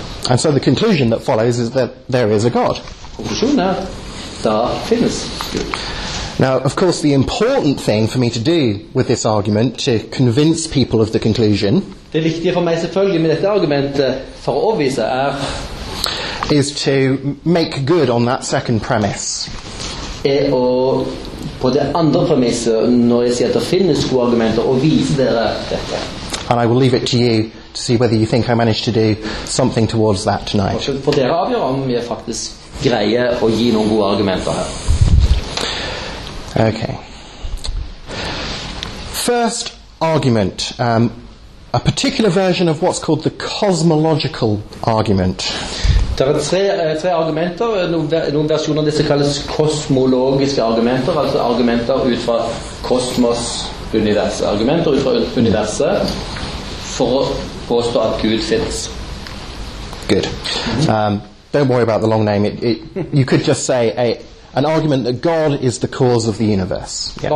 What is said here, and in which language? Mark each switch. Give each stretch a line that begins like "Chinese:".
English: And so the conclusion that follows is that there is a God.
Norwegian: Konklusjonen er at der finnes Gud.
English: Now, of course, the important thing for me to do with this argument, to convince people of the conclusion,
Norwegian: det viktige for meg selvfølgelig med dette argumentet for å overbevise er,
English: is to make good on that second premise.
Norwegian: Er å på det andre premisset når jeg sier at det finnes gode argumenter og vise dere dette.
English: And I will leave it to you to see whether you think I managed to do something towards that tonight.
Norwegian: For dere avgjør om jeg faktisk greier å gi noen gode argumenter her.
English: Okay. First argument, a particular version of what's called the cosmological argument.
Norwegian: Der er tre argumenter, noen versjoner av disse kalles kosmologiske argumenter, altså argumenter ut fra kosmos, universet, argumenter ut fra universet for å påstå at Gud finnes.
English: Good. Don't worry about the long name. It you could just say an argument that God is the cause of the universe.